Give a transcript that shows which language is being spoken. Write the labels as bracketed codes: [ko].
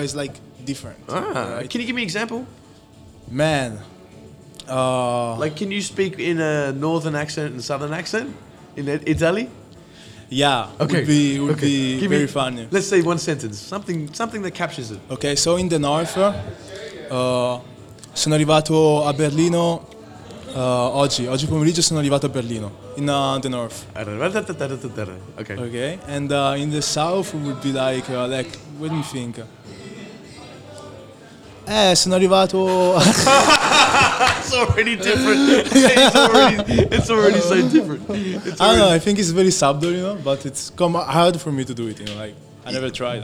[en] It's like different. Right? Can you give me an example? Man. Like, can you speak in a northern accent and southern accent in Italy? Yeah. Okay. Would be very funny. Let's say one sentence. Something that captures it. Okay, so in the north, [it] sono arrivato a Berlino. Oggi pomeriggio sono arrivato a Berlino, [en] in the north. Okay. And in the south would be like, let me think. [it] Sono arrivato... [en] It's already different. It's already so different. I think it's very subtle, you know, but it's come hard for me to do it, you know, like, I never tried.